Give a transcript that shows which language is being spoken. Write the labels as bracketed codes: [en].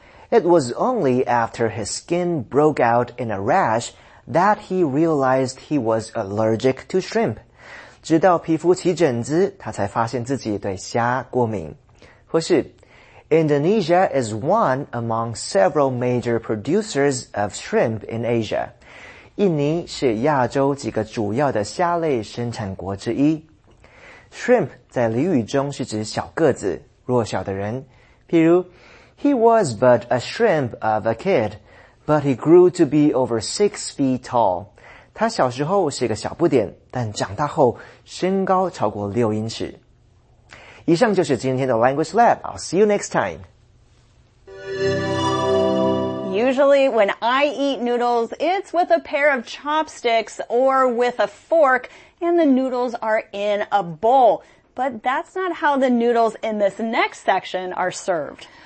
[en] It was only after his skin broke out in a rash that he realized he was allergic to shrimp. [zh] 直到皮肤起疹子，他才发现自己对虾过敏。或是 [en] Indonesia is one among several major producers of shrimp in Asia. [zh] 印尼是亚洲几个主要的虾类生产国之一。 Shrimp 在俚语中是指小个子、弱小的人。譬如 [en] He was but a shrimp of a kid, but he grew to be over 6 feet tall. [zh] 他小时候是个小不点，但长大后身高超过6英尺。以上就是今天的 Language Lab. [en] I'll see you next time. Usually when I eat noodles, it's with a pair of chopsticks or with a fork, and the noodles are in a bowl. But that's not how the noodles in this next section are served.